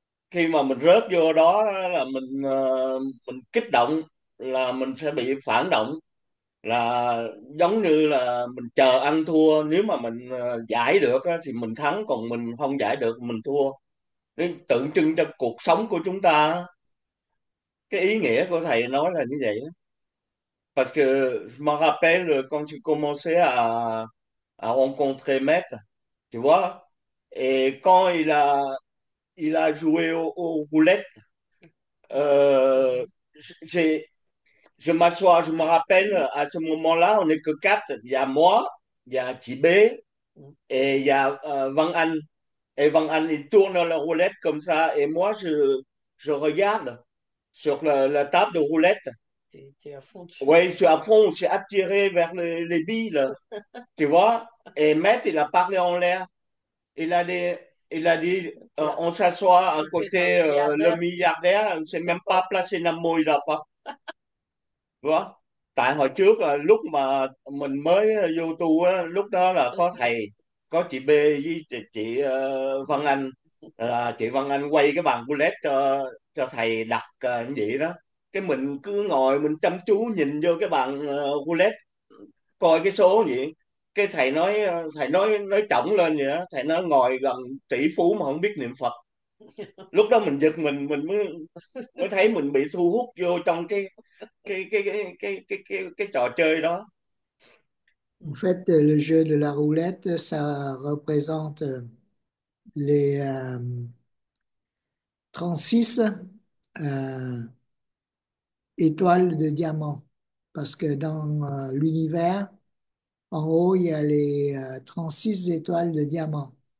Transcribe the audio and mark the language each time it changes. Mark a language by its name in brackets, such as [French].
[Vietnamese] Khi mà mình rớt vô đó là mình kích động là mình sẽ bị phản động, là giống như là mình chờ ăn thua. Nếu mà mình giải được á, thì mình thắng, còn mình không giải được mình thua. Nên tượng trưng cho cuộc sống của chúng ta, cái ý nghĩa của thầy nói là như vậy đó. [French] Parce que je me rappelle quand j'ai commencé à rencontrer maître, tu vois, et quand il a joué au roulette, je m'assois, je me rappelle, à ce moment-là, on n'est que quatre. Il y a moi, il y a chị B, et il y a Văn Anh. Et Văn Anh, il tourne la roulette comme ça, et moi, je regarde sur la table de roulette. T'es à fond dessus. Oui, je suis à fond, je suis attiré vers les billes, tu vois. Et Maître, il a parlé en l'air. Il a dit, on s'assoit à côté le milliardaire, on ne s'est même pas placé dans le mot, il a fait. [Vietnamese] Vâng. Tại hồi trước lúc mà mình mới vô tu á, lúc đó là có thầy, có chị B với chị Văn Anh, là chị Văn Anh quay cái bàn roulette cho thầy đặt như vậy đó. Cái mình cứ ngồi mình chăm chú nhìn vô cái bàn roulette coi cái số như vậy. Cái thầy nói trỏng lên vậy đó, thầy nói ngồi gần tỷ phú mà không biết niệm Phật. Lúc đó mình giật mình mới thấy mình bị thu hút vô trong cái trò chơi đó. [French] En fait, le jeu de la roulette, ça représente les 36 étoiles de diamant. Parce que dans l'univers, en haut, il y a les 36 étoiles de diamant.